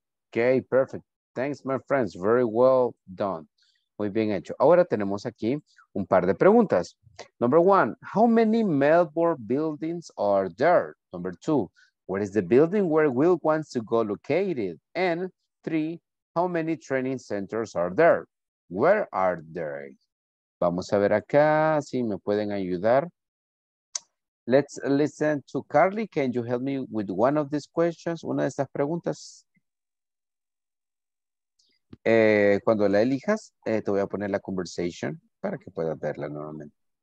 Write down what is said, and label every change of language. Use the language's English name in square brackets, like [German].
[English] Okay, perfect. Thanks, my friends. Very well done. [Spanish] Muy bien hecho. Ahora tenemos aquí un par de preguntas. [English] Number one, how many Melbourne buildings are there? Number two, where is the building where Will wants to go located? And three, how many training centers are there? Where are they? [Spanish] Vamos a ver acá si me pueden ayudar. [English] Let's listen to Carly. Can you help me with one of these questions? [Spanish] Una de estas preguntas. Cuando la elijas, te voy a poner la conversation para que puedas verla nuevamente.